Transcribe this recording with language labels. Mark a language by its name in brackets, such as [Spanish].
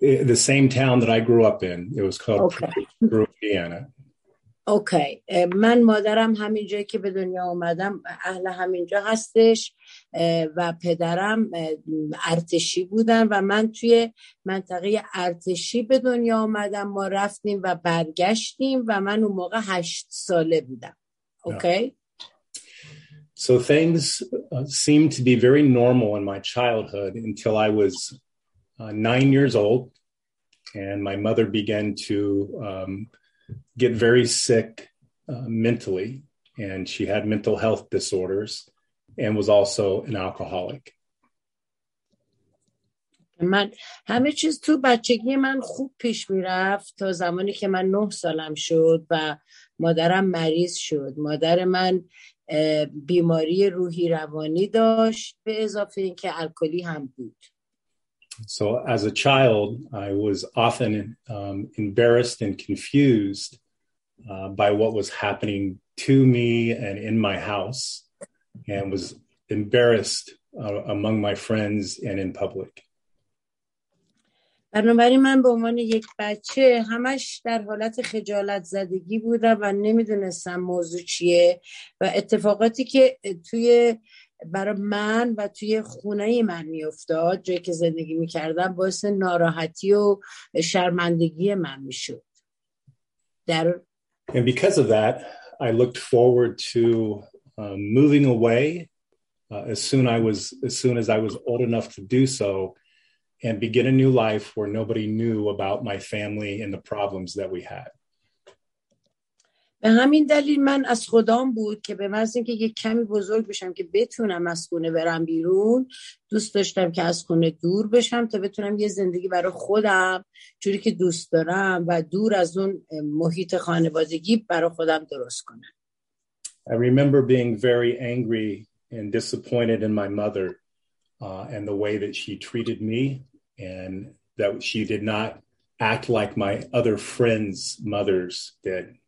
[English] The same town that I grew up in. It was called Louisiana. [Persian] اوکی من مادرم همین جایی که به دنیا اومدم اهل همین جا هستش و پدرم ارتشی بودن و من توی منطقه ارتشی به دنیا اومدم. ما رفتیم و برگشتیم و من اون موقع 8 ساله بودم. اوکی [English] So things seemed to be very normal in my childhood until I was 9 years old and my mother began to get very sick mentally, and she had mental health disorders and was also an alcoholic. [Persian] من همه چیز تو بچگی من خوب پیش می رفت تا زمانی که من 9 سالم شد و مادرم مریض شد. مادر من بیماری روحی روانی داشت به اضافه این که الکلی هم بود. [English] So as a child, I was often embarrassed and confused by what was happening to me and in my house, and was embarrassed among my friends and in public. [Persian] بنابراین من به عنوان یک بچه همش در حالت خجالت زدگی بودم و نمیدونستم موضوع چیه و اتفاقاتی که توی برای من و توی خونه من میافتاد، جایی که زندگی میکردم، باعث ناراحتی و شرمندگی من میشد. در [English] And because of that, I looked forward to moving away as soon as I was old enough to do so and begin a new life where nobody knew about my family and the problems that we had. [Persian] به همین دلیل من از خدام بود که به محض اینکه یه کمی بزرگ بشم که بتونم از خونه برم بیرون، دوست داشتم که از خونه دور بشم تا بتونم یه زندگی برای خودم جوری که دوست دارم و دور از اون محیط خانوادگی برای خودم درست کنم. [English] I remember being very angry and disappointed in my mother and the way that she treated me and that she did not act like my other friends' mothers did.